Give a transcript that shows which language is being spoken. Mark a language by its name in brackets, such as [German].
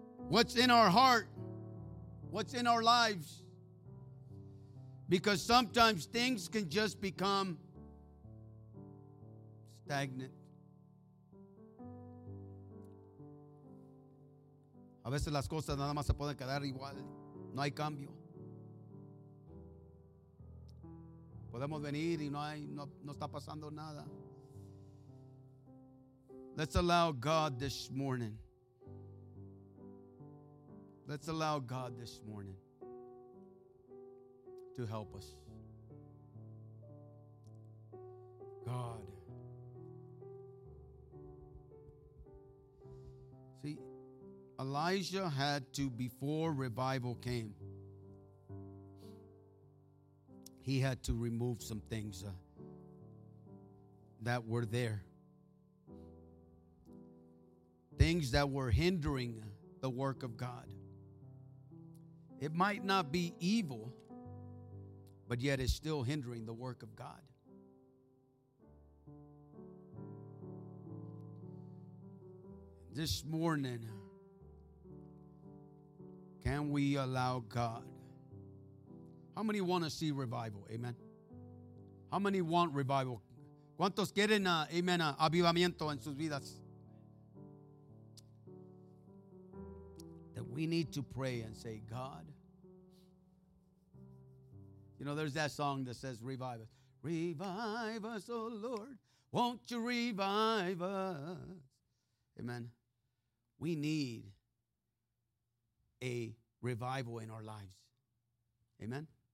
[English] what's in our heart, what's in our lives. Because sometimes things can just become stagnant. [Spanish] A veces las cosas nada más se pueden quedar igual. No hay cambio. Podemos venir y no está pasando nada. [English] Let's allow God this morning. Let's allow God this morning to help us. God. See, Elijah had to, before revival came, he had to remove some things that were there. Things that were hindering the work of God. It might not be evil, but yet it's still hindering the work of God. This morning, can we allow God? How many want to see revival? Amen. How many want revival? [Spanish] ¿Cuántos quieren, amen, avivamiento en sus vidas? [English] That we need to pray and say, God. You know, there's that song that says, revive us. Revive us, oh Lord. Won't you revive us? Amen. We need a revival in our lives. Amen.